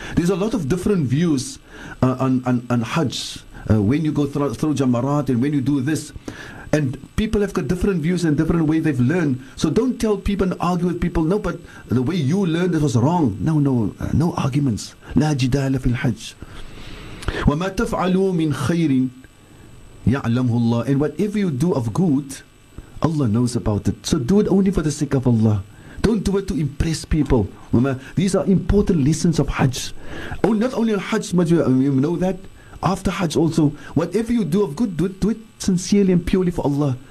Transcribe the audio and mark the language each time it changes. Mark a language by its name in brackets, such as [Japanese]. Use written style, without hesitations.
[English] There's a lot of different views on hajj. When you go through jamarat and when you do this. And people have got different views and different ways they've learned. So don't tell people and argue with people. No, but the way you learned it was wrong. No, no, no arguments. [Arabic] لا جدال في الحج. وما تفعلوا من خير يعلمه الله. [English] And whatever you do of good, Allah knows about it. So do it only for the sake of Allah. Don't do it to impress people. Remember, these are important lessons of Hajj. Oh, not only on Hajj, but you know that. After Hajj also, whatever you do of good, do it sincerely and purely for Allah.